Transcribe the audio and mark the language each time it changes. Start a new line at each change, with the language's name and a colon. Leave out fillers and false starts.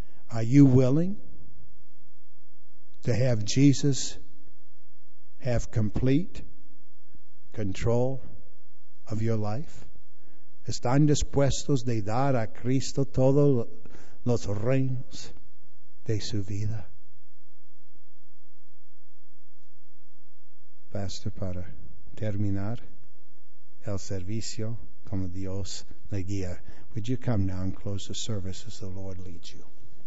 English: Are you willing to have Jesus have complete control of your life?
Spanish: ¿Están dispuestos de dar a Cristo todos los reinos de su vida? Pastor, para terminar el servicio como Dios le guía,
English: would you come now and close the service as the Lord leads you?